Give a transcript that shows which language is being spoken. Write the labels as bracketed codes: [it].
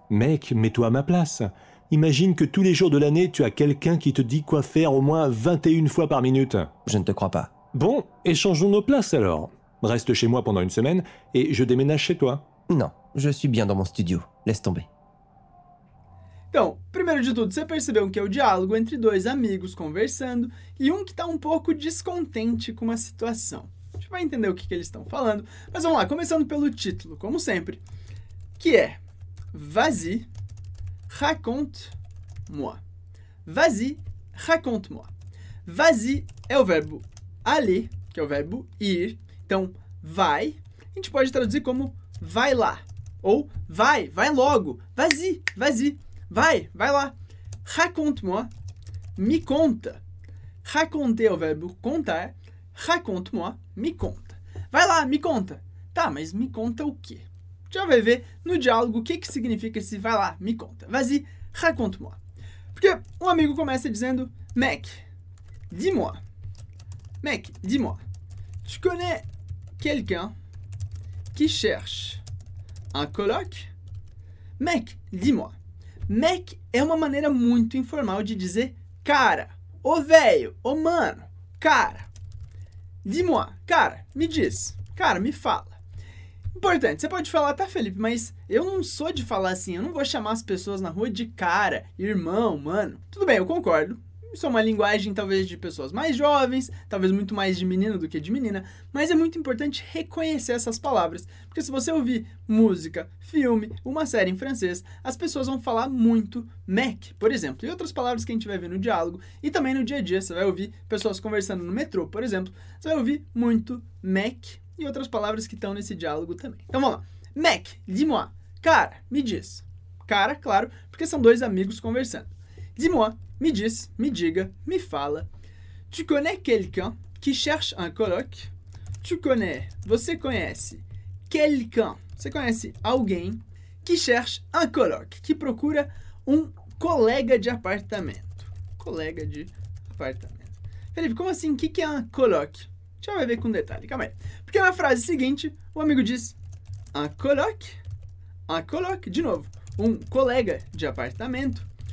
[fr] Mec, mets-toi à ma place. Imagine que tous les jours de l'année, tu as quelqu'un qui te dit quoi faire au moins 21 fois par minute. Je ne te crois pas. Bon, échangeons nos places alors. Reste chez moi pendant une semaine et je déménage chez toi. Non, je suis bien dans mon studio. Laisse tomber. [pt] Então, primeiro de tudo, você percebeu que é o diálogo entre dois amigos conversando e um que tá um pouco descontente com uma situação. A gente vai entender o que eles estão falando, mas vamos lá, começando pelo título, como sempre, que é [fr] Vas-y, raconte-moi. Vas-y, raconte-moi. [pt] Vas-y é o verbo aller, que é o verbo ir. Então, vai, a gente pode traduzir como vai lá. Ou vai, vai logo. [fr] Vas-y, vas-y. [pt] Vai, vai lá. [fr] Raconte-moi, [pt] me conta. Raconter é o verbo contar. [fr] Raconte-moi, [pt] me conta. Vai lá, me conta. Tá, mas me conta o quê? Já vai ver no diálogo o que, que significa esse vai lá, me conta. [fr] Vas-y, raconte-moi. [pt] Porque um amigo começa dizendo [fr] Mec, dis-moi. Mec, dis-moi. Tu connais quelqu'un qui cherche un colloque? Mec, dis-moi. [pt] Mec é uma maneira muito informal de dizer cara, ô velho, ô mano, cara. [fr] Dis-moi, [pt] cara, me diz, cara, me fala. Importante, você pode falar, tá, Felipe, mas eu não sou de falar assim, eu não vou chamar as pessoas na rua de cara, irmão, mano. Tudo bem, eu concordo. Isso é uma linguagem talvez de pessoas mais jovens, talvez muito mais de menino do que de menina, mas é muito importante reconhecer essas palavras, porque se você ouvir música, filme, uma série em francês, as pessoas vão falar muito mec, por exemplo, e outras palavras que a gente vai ver no diálogo, e também no dia a dia, você vai ouvir pessoas conversando no metrô, por exemplo, você vai ouvir muito mec e outras palavras que estão nesse diálogo também. Então vamos lá, [fr] mec, dis-moi, [pt] cara, me diz, cara, claro, porque são dois amigos conversando. [fr] Dis-moi, [pt] me diz, me diga, me fala. [fr] Tu connais quelqu'un qui cherche un colloque? Tu connais, [pt] você conhece, [fr] quelqu'un, [pt] você conhece alguém [fr] qui cherche un colloque, [pt] que procura um colega de apartamento. Colega de apartamento. Felipe, como assim, o que, que é un colloque? Já vai ver com detalhe, calma aí. Porque na frase seguinte, o amigo diz, un colloque, de novo, um colega de apartamento.